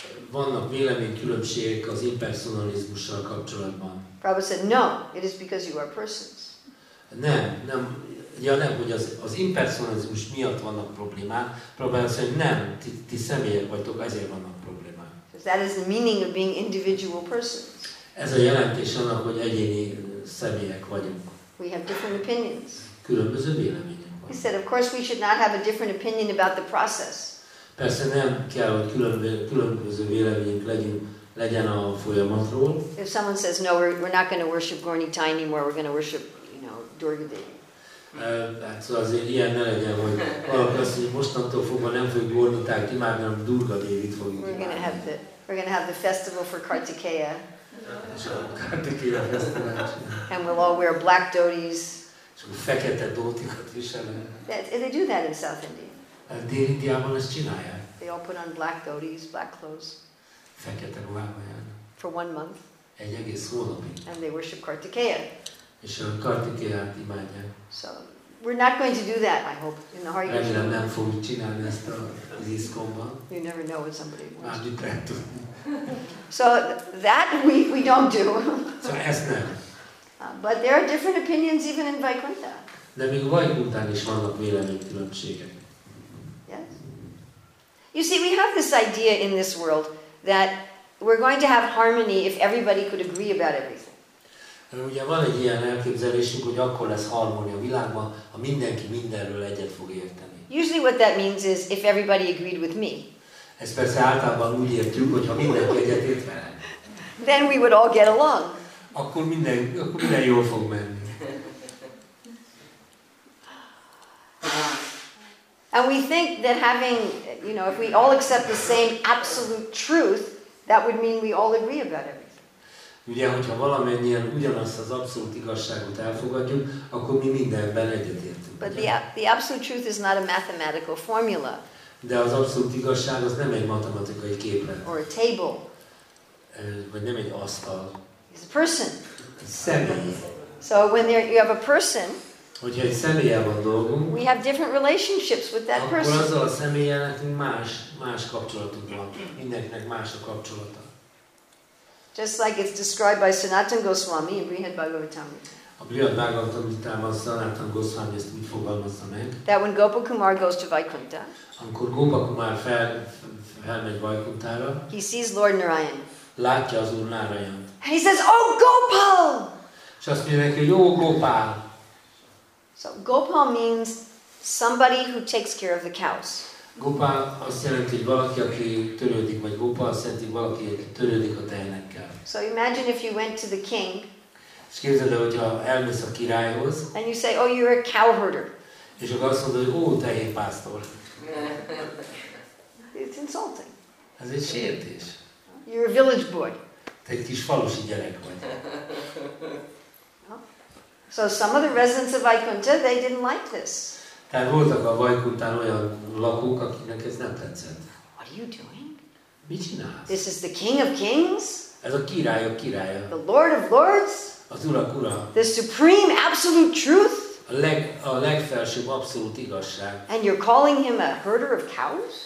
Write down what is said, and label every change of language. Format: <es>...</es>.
<hu>Vannak véleménykülönbségek az impersonalizmussal kapcsolatban.</hu> <en>Prabhupada said, no, it is because you are persons.</en> <hu>Nem, hogy az impersonalizmus miatt vannak problémák.</hu> <en>Prabhupada said,</en> <hu>nem, ti személyek vagytok, ezért vannak problémák.</hu> <en>That is the meaning of being individual persons.</en> <hu>Ez a jelentés annak, hogy egyéni személyek vagyunk.</hu> <en>We have different opinions.</en> <hu>Különböző vélemények van.</hu> <en>He said, of course we should not have a different opinion about the process.</en> <hu>Persze nem kell, hogy különböző véleményünk legyen a folyamatról.</hu> <en>If someone says no, we're not going to worship Gorni Thai anymore, we're going to worship, you know, Durgadevi.</en> <hu>Hát azért ilyen ne legyen, hogy valaki azt, hogy mostantól fogva nem fogjuk Gorni Thai-t imádni, hanem Durgadevit fogjuk imádni.</hu> <en>We're going to have the festival for Kartikeya. Kartikeya festival. And we'll all wear black dhotis.</en> <hu>És akkor fekete dhotikat viselünk.</hu> <en>They do that in South India.</en> <hu>Dél-Indiában ezt csinálják.</hu> <en>They all put on black dhotis, black clothes.</en> <hu>Fekete ruhában.</hu> <en>For one month.</en> <hu>Egy egész hónapig.</hu> <en>And they worship Kartikeya.</en> <hu>És a Kartikeyát imádják.</hu> <en>So, we're not going to do that, I hope, in the Hare Krishna.</en> <hu>Remélem nem fogjuk csinálni ezt az ISKCON-ban.</hu> <en>You never know what somebody wants.</en> <hu>Már mit lehet tudni.</hu> <en>So, that we don't do.</en> <hu>So, ezt nem.</hu> <en>But there are different opinions even in Vaikuntha.</en> <hu>De még Vaikunthán is vannak véleménykülönbségek.</hu> <en>You see, we have this idea in this world that we're going to have harmony if everybody could agree about everything.</en> <hu>Ugye van egy ilyen elképzelésünk, hogy akkor lesz harmónia a világban, ha mindenki mindenről egyet fog érteni.</hu> <en>Usually what that means is if everybody agreed with me.</en> <hu>Ezt persze általában úgy értjük, hogy ha mindenki egyet ért velem.</hu> <en>Then we would all get along.</en> <hu>Akkor minden jól fog menni.</hu> <en>And we think that having, you know, if we all accept the same absolute truth, that would mean we all agree about everything.</en> <hu>Ugye, hogyha valamennyien ugyanazt az abszolút igazságot elfogadjuk, akkor mi mindenben egyetértünk.</hu> <en>But the absolute truth is not a mathematical formula.</en> <hu>De az abszolút igazság az nem egy matematikai képlet.</hu> <en>Or a table.</en> <hu>Vagy nem egy asztal.</hu> <en>It's a person.</en> <hu>Személy.</hu> <en>So when there you have a person.</en> <hu>Hogyha egy személlyel van dolgunk,</hu> <en>we have different relationships with that person.</en> <hu>Akkor azzal a személlyel nekünk más kapcsolatunk van. Mindenkinek más a kapcsolata.</hu> <en>Just like it's described by Sanatan Goswami in Brihad Bhagavatamrita.</en> <hu>A Brihad Bhagavatamritában Sanatan Goswami ezt úgy fogalmazza meg.</hu> <en>That when Gopa Kumar goes to Vaikuntha.</en> <hu>Amikor Gopa Kumar felmegy Vaikunthára.</hu> <en>He sees Lord Narayan.</en> <hu>Látja az Úr Narayant.</hu> <en>And he says, "Oh Gopal!"</en> <hu>És azt mondja neki, "Jó Gopal!"</hu> <en>So Gopal means somebody who takes care of the cows.</en> <hu>Gopal azt jelenti, hogy valaki, aki törődik, vagy Gopal azt jelenti, hogy valaki, aki törődik a tehenekkel.</hu> <en>So imagine if you went to the king.</en> <hu>És képzeld el, hogyha elmész a királyhoz.</hu> <en>And you say, oh, you're a cow herder.</en> <hu>És akkor azt mondod, hogy ó, tehénpásztor.</hu> <en>It's insulting.</en> <hu>Ez egy sértés.</hu> <en>You're a village boy.</en> <hu>Te egy kis falusi gyerek vagy.</hu> <en>So some of the residents of Vaikuntha, they didn't like this.</en> <hu>Tehát voltak a Vaikunthán olyan lakók, akinek ez nem tetszett.</hu> <en>What are you doing?</en> <hu>Mit csinálsz?</hu> <en>This is the King of Kings.</en> <hu>Ez a király a királya.</hu> <en>The Lord of Lords.</en> <hu>Az Urak ura.</hu> <en>The supreme absolute truth.</en> <hu>A legfelsőbb abszolút igazság.</hu> <en>And you're calling him a herder of cows?</en>